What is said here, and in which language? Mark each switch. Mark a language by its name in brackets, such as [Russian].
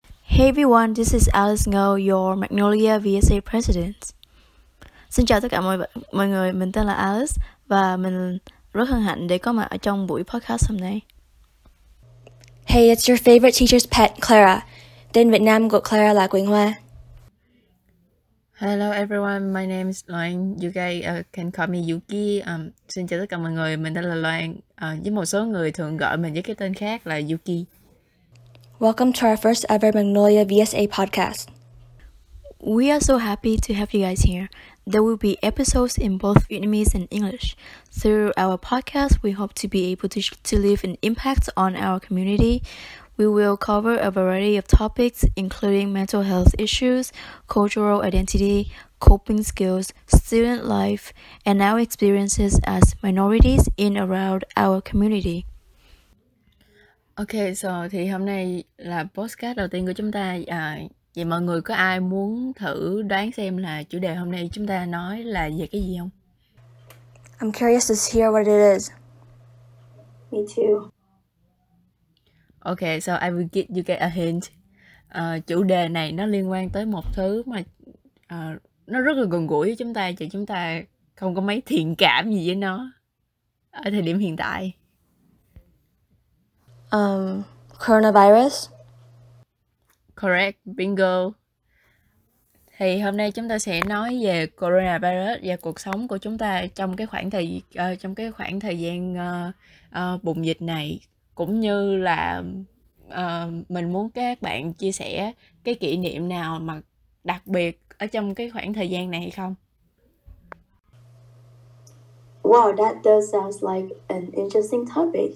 [English] Hey everyone, this is Alice Ngo, your Magnolia VSA President. [Vietnamese] Xin chào tất cả mọi người, mình tên là Alice và mình rất hân hạnh để có mặt ở trong buổi podcast hôm nay. [English] Hey, it's your favorite teacher's pet, Clara. [Vietnamese] Tên Việt Nam của Clara là Quỳnh Hoa. [English] Hello everyone, my name is Loan. You guys can call me Yuki. [Vietnamese] Xin chào tất cả mọi người, mình tên là Loan. Với một số người thường gọi mình với cái tên khác là Yuki. [English] Welcome to our first ever Magnolia VSA podcast. We are so happy to have you guys here. There will be episodes in both Vietnamese and English. Through our podcast, we hope to be able to leave an impact on our community. We will cover a variety of topics, including mental health issues, cultural identity, coping skills, student life, and our experiences as minorities in and around our community. [Vietnamese] Ok, so thì hôm nay là podcast đầu tiên của chúng ta. Vậy mọi người có ai muốn thử đoán xem là chủ đề hôm nay chúng ta nói là về cái gì không? [English] I'm curious to hear what it is. Me too. Ok, so I will give you guys a hint. [Vietnamese] Chủ đề này nó liên quan tới một thứ mà nó rất là gần gũi với chúng ta, chứ chúng ta không có mấy thiện cảm gì với nó ở thời điểm hiện tại. [English] Coronavirus. Correct, bingo. [Vietnamese] Thì hôm nay chúng ta sẽ nói về coronavirus và cuộc sống của chúng ta trong cái khoảng thời bùng dịch này, cũng như là mình muốn các bạn chia sẻ cái kỷ niệm nào mà đặc biệt ở trong cái khoảng thời gian này hay không. [English] Wow, that does sound like an interesting topic.